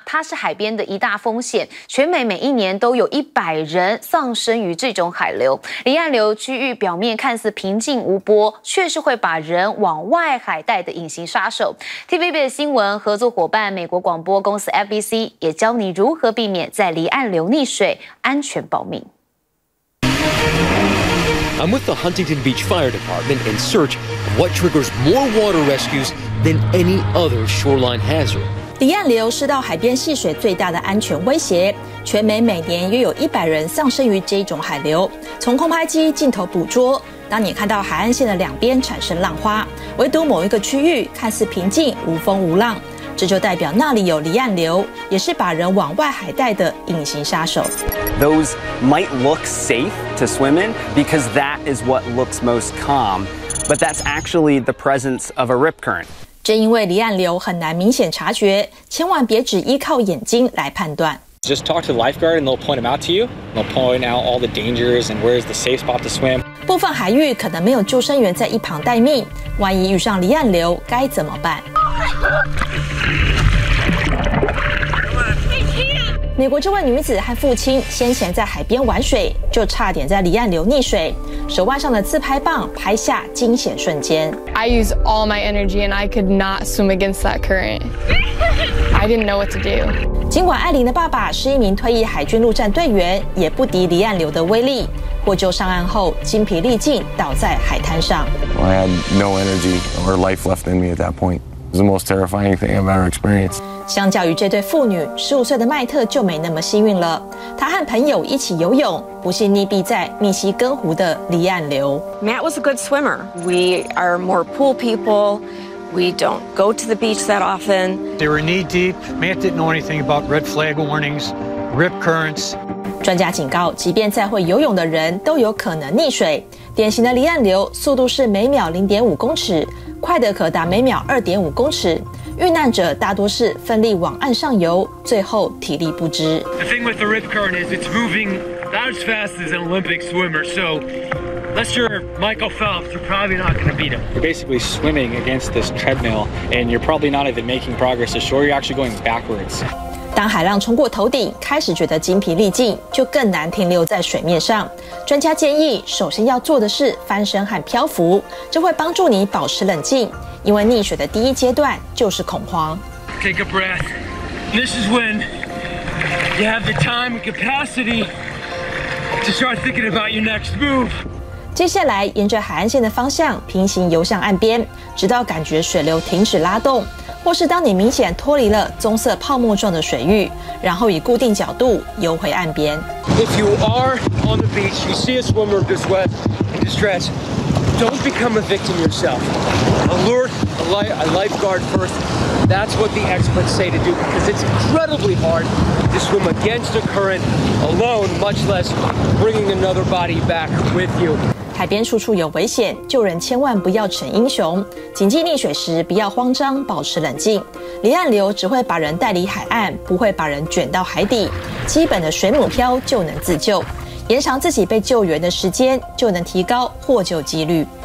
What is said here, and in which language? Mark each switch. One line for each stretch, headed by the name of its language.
Chinese: 它是海边的一大风险，全美每一年都有100人丧生于这种海流。离岸流区域表面看似平静无波，却是会把人往外海带的隐形杀手。 TVB 的新闻合作伙伴美国广播公司 FBC 也教你如何避免在离岸流溺水，安全保命。
English: I'm with the Huntington Beach Fire Department in search of what triggers more water rescues than any other shoreline hazard.
Chinese: 离岸流是到海边戏水最大的安全威胁，全美每年约有100人丧生于这种海流。从空拍机镜头捕捉，当你看到海岸线的两边产生浪花，唯独某一个区域看似平静无风无浪，这就代表那里有离岸流，也是把人往外海带的隐形杀手。
English: Those might look safe to swim in because that is what looks most calm, but that's actually the presence of a rip current.
Chinese: 正因为离岸流很难明显察觉，千万别只依靠眼睛来判断。
English: Just talk to the lifeguard and they'll point them out to you. They'll point out all the dangers and where is the safe spot to swim.
Chinese: 部分海域可能没有救生员在一旁待命，万一遇上离岸流该怎么办？美国这位女子和父亲先前在海边玩水，就差点在离岸流溺水，手腕上的自拍棒拍下惊险瞬间。
English: I use all my energy and I could not swim against that current. I didn't know what to do.
Chinese: 尽管艾琳的爸爸是一名退役海军陆战队员，也不敌离岸流的威力，获救上岸后精疲力尽倒在海滩上。
English: I had no energy or life left in me at that point. It was the most terrifying thing I've ever experienced.
Chinese: 相较于这对妇女，15岁的麦特就没那么幸运了。她和朋友一起游泳，不幸溺毙在密西根湖的离岸流。
English: Matt was a good swimmer. We are more pool people. We don't go to the beach that often. They were knee deep. Matt didn't know anything about red flag warnings, rip currents.
Chinese: 专家警告，即便再会游泳的人都有可能溺水。典型的离岸流速度是每秒0.5公尺，快的可达每秒2.5公尺。遇难者大多是奋力往岸上游，最后体力不支。
English: The thing with the rip current is it's moving not as fast as an Olympic swimmer. So unless you're Michael Phelps, you're probably not going to beat him. You're basically swimming against this treadmill, and you're probably not even making progress ashore. You're actually going backwards.
Chinese: 当海浪冲过头顶，开始觉得精疲力尽，就更难停留在水面上。专家建议，首先要做的是翻身和漂浮，这会帮助你保持冷静。因为溺水的第一阶段就是恐慌。
English: Take a breath. This is when you have the time and capacity to start thinking about your next move.
Chinese: 接下来，沿着海岸线的方向平行游向岸边，直到感觉水流停止拉动，或是当你明显脱离了棕色泡沫状的水域，然后以固定角度游回岸边。
English: If you are on the beach, you see a swimmer in distress, don't become a victim yourself. Alert a lifeguard first. That's what the experts say to do because it's incredibly hard to swim against a current alone, much less bringing another body back with you.
Chinese: 海边处处有危险，救人千万不要逞英雄。谨记溺水时不要慌张，保持冷静。离岸流只会把人带离海岸，不会把人卷到海底。基本的水母漂就能自救。延长自己被救援的时间，就能提高获救几率。